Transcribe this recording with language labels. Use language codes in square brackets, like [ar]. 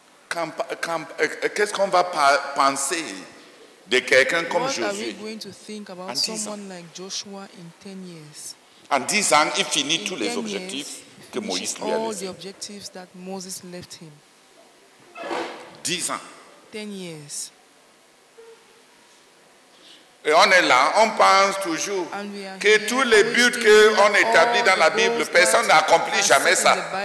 [fr] Qu'est-ce qu'on va penser de quelqu'un comme Josué? [en] What are we going to think about someone like Joshua in 10 years? [fr] En 10 ans, il finit tous les objectifs que Moïse lui a laissés. [en] All the objectives that Moses left him. [fr] 10 ans. [en] 10 years. [fr] Et on est là, on pense toujours que tous les buts qu'on établit dans la Bible, personne n'accomplit jamais ça.